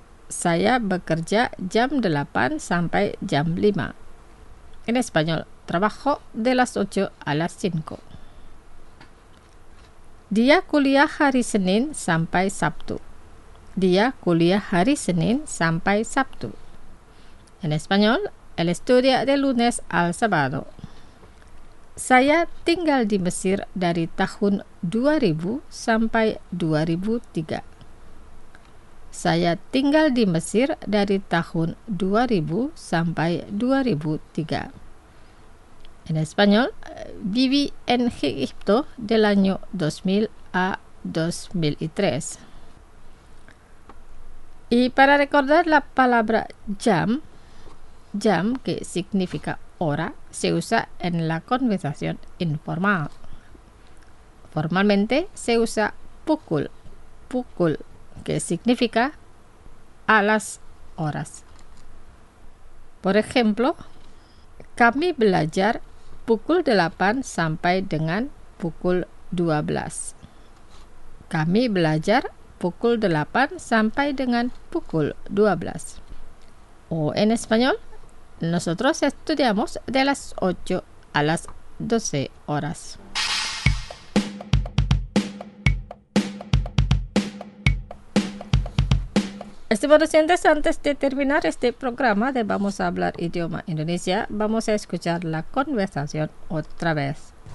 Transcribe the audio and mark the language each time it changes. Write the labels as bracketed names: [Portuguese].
[Indonesian] Saya bekerja jam 8 sampai jam 5. [Spanish] En español, trabajo de las 8 a las 5. [Indonesian] Dia kuliah hari Senin sampai Sabtu. Dia kuliah hari Senin sampai Sabtu. [Spanish] En español, él estudia de lunes al sábado. [Indonesian] Saya tinggal di Mesir dari tahun 2000 sampai 2003. Saya tinggal di Mesir dari tahun 2000 sampai 2003. [Spanish] En español, viví en Egipto del año 2000 a 2003. Y para recordar la palabra jam, jam que significa hora, se usa en la conversación informal. Formalmente se usa pukul, pukul, que significa a las horas. Por ejemplo, [Indonesian] kami belajar pukul 8 sampai dengan pukul 12. Kami belajar pukul 8 sampai dengan pukul 12. [Spanish] O en español, nosotros estudiamos de las 8 a las 12 horas. Estimados docentes, antes de terminar este programa de Vamos a Hablar Idioma Indonesia, vamos a escuchar la conversación otra vez.